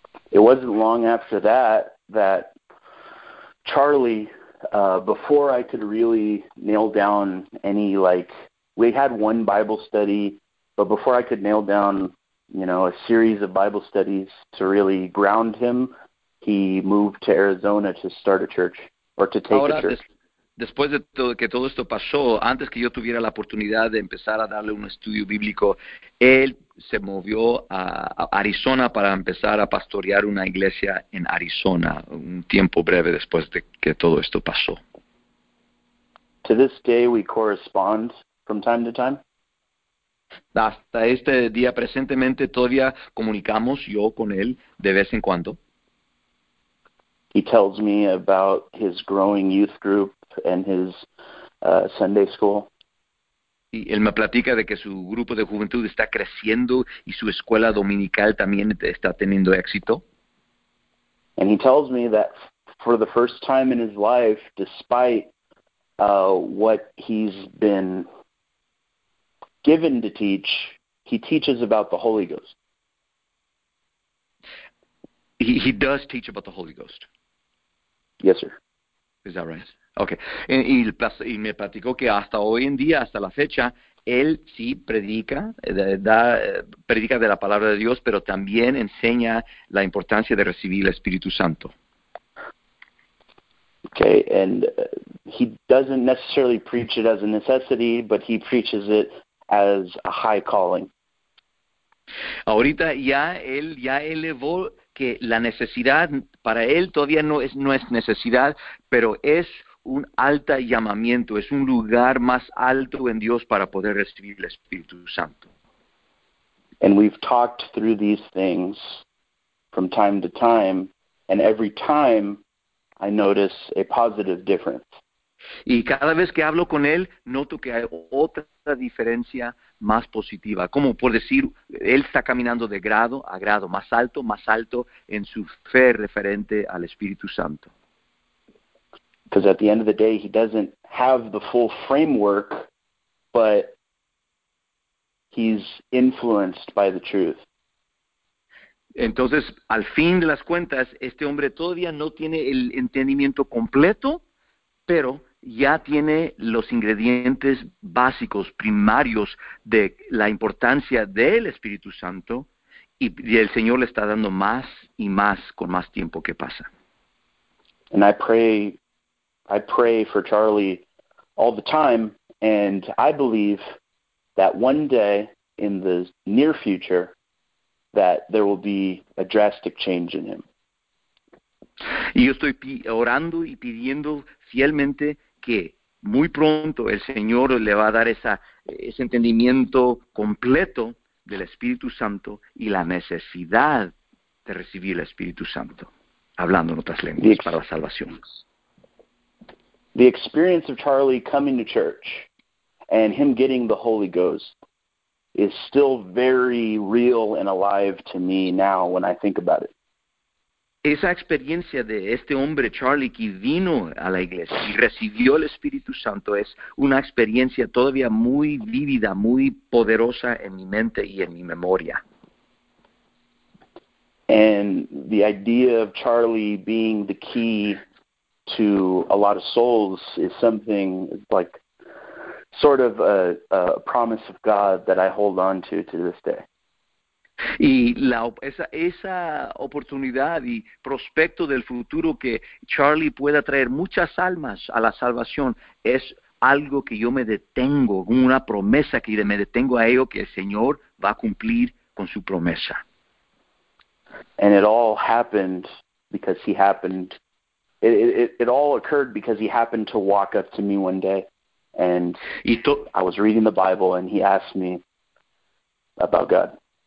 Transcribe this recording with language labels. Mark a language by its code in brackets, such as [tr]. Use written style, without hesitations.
[en] It wasn't long after that that Charlie, before I could really nail down any, like, we had one Bible study, but before I could nail down, you know, a series of Bible studies to really ground him, he moved to Arizona to start a church, or to take [es] Ahora, [en] a church. [es] Después de que todo esto pasó, antes que yo tuviera la oportunidad de empezar a darle un estudio bíblico, él se movió a Arizona para empezar a pastorear una iglesia en Arizona, un tiempo breve después de que todo esto pasó. [en] To this day, we correspond from time to time. [es] Hasta este día presentemente todavía comunicamos yo con él de vez en cuando. [en] He tells me about his growing youth group and his Sunday school. [es] Y él me platica de que su grupo de juventud está creciendo y su escuela dominical también está teniendo éxito. [en] And he tells me that for the first time in his life, despite what he's been given to teach, he teaches about the Holy Ghost. He does teach about the Holy Ghost. Yes, sir. Is that right? Okay. [es] Y me platicó que hasta hoy en día, hasta la fecha, él sí predica, predica de la palabra de Dios, pero también enseña la importancia de recibir el Espíritu Santo. [en] Okay, and he doesn't necessarily preach it as a necessity, but he preaches it as a high calling. [es] Ahorita ya elevó que la necesidad para él todavía no es necesidad, pero es un alto llamamiento, es un lugar más alto en Dios para poder recibir el Espíritu Santo. [en] And we've talked through these things from time to time, and every time I notice a positive difference. [es] Y cada vez que hablo con él, noto que hay otra diferencia más positiva. Como por decir, él está caminando de grado a grado, más alto en su fe referente al Espíritu Santo. [en] Because at the end of the day, he doesn't have the full framework, but he's influenced by the truth. [es] Entonces, al fin de las cuentas, este hombre todavía no tiene el entendimiento completo, pero ya tiene los ingredientes básicos, primarios, de la importancia del Espíritu Santo, y el Señor le está dando más y más con más tiempo que pasa. [en] And I pray for Charlie all the time, and I believe that one day in the near future that there will be a drastic change in him. [es] Y yo estoy orando y pidiendo fielmente que muy pronto el Señor le va a dar ese entendimiento completo del Espíritu Santo y la necesidad de recibir el Espíritu Santo, hablando en otras lenguas para la salvación. [en] The experience of Charlie coming to church and him getting the Holy Ghost is still very real and alive to me now when I think about it. [es] Esa experiencia de este hombre, Charlie, que vino a la iglesia y recibió el Espíritu Santo, es una experiencia todavía muy vívida, muy poderosa en mi mente y en mi memoria. [en] And the idea of Charlie being the key to a lot of souls is something like sort of a promise of God that I hold on to this day. [es] Y esa oportunidad y prospecto del futuro que Charlie pueda traer muchas almas a la salvación es algo que yo me detengo, una promesa que me detengo a ello que el Señor va a cumplir con su promesa. [en] And it all happened because he happened, it all occurred because he happened to walk up to me one day and I was reading the Bible and he asked me about God.